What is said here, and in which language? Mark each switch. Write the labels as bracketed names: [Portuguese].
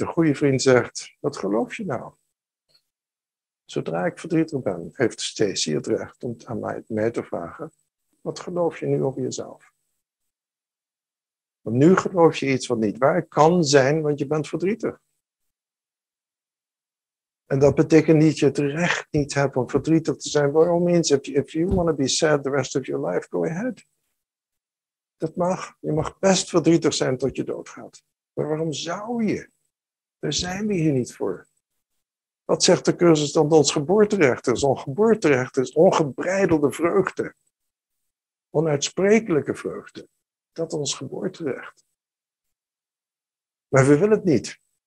[Dutch] Een goede vriend zegt, wat geloof je nou? Zodra ik verdrietig ben, heeft Stacy het recht om aan mij te vragen, wat geloof je nu over jezelf? Want nu geloof je iets wat niet waar kan zijn, want je bent verdrietig. En dat betekent niet dat je het recht niet hebt om verdrietig te zijn. Waarom eens? [English] If you want to be sad the rest of your life, go ahead. [Dutch] Dat mag. Je mag best verdrietig zijn tot je doodgaat. Maar waarom zou je? Daar zijn we hier niet voor. Wat zegt de cursus dan? Ons geboorterecht is ongebreidelde vreugde. Onuitsprekelijke vreugde. Dat is ons geboorterecht. Maar we willen het niet.